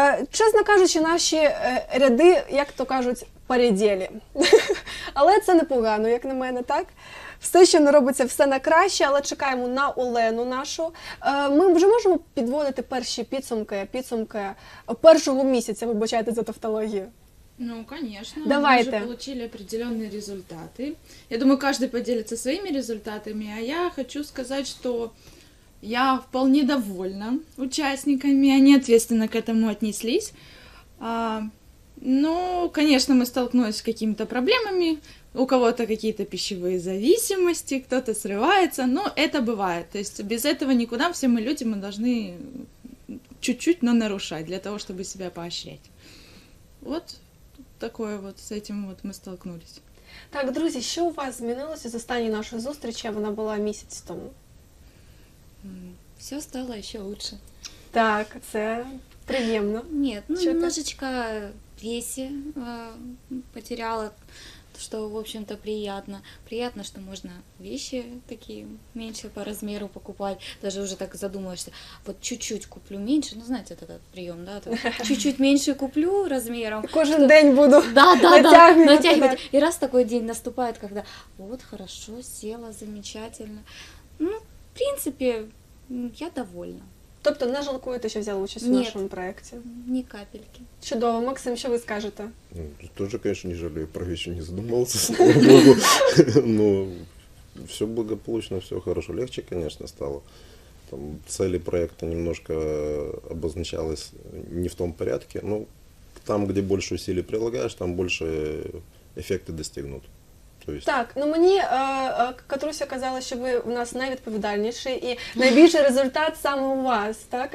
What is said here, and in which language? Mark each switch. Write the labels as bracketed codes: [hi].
[uk] Чесно кажучи, наші ряди, як то кажуть, переділі. Але це непогано, як на мене, так? Все, що не робиться, все на краще, але чекаємо на Олену нашу. Ми вже можемо підводити перші підсумки першого місяця, вибачайте за тавтологію. [ru] Ну, конечно. Давайте. Мы уже получили определенные результаты. Я думаю, каждый поделится своими результатами. А я хочу сказать, что я вполне довольна участниками. Они ответственно к этому отнеслись. Ну, конечно, мы столкнулись с какими-то проблемами. У кого-то какие-то пищевые зависимости, кто-то срывается. Но это бывает. То есть без этого никуда. Все мы люди, мы должны чуть-чуть, но нарушать для того, чтобы себя поощрять. Вот. Такое вот, с этим вот мы столкнулись. [uk] Так, друзі, що у вас змінилося з останньої нашої зустрічі? Вона була місяць тому. Все стало ще лучше. Так, це приємно. Ні, ну, [ru] немножечко весі потеряла, [uk] що, в общем-то, приємно. Приємно, що можна вещи такі менше по розміру покупати. Даже вже так задумалася, от чуть-чуть куплю менше, ну, знаєте, це той прийом, да? Чуть-чуть менше куплю розміром. Кожен день буду натягувати. І раз такий день наступає, коли от, [ru] хорошо, села, замечательно. [uk] Ну, в принципі, я довольна. Тобто не жалкуєте, що взяла участь [ru] Нет, [uk] в нашому проєкті? Ні капельки. Чудово. Максим, що ви скажете? Ну, теж, звісно, не жалію, про вічі не задумався, слава Богу. Ну, все благополучно, все хорошо. Легче, звісно, стало. Там цілі проєкту немножко обозначались не в тому порядку. Ну, там, де більше усилий прилагаєш, там більше ефекти достигнуть. Так, ну мені Катруся казала, що ви у нас найвідповідальніший і найбільший результат саме у вас, так?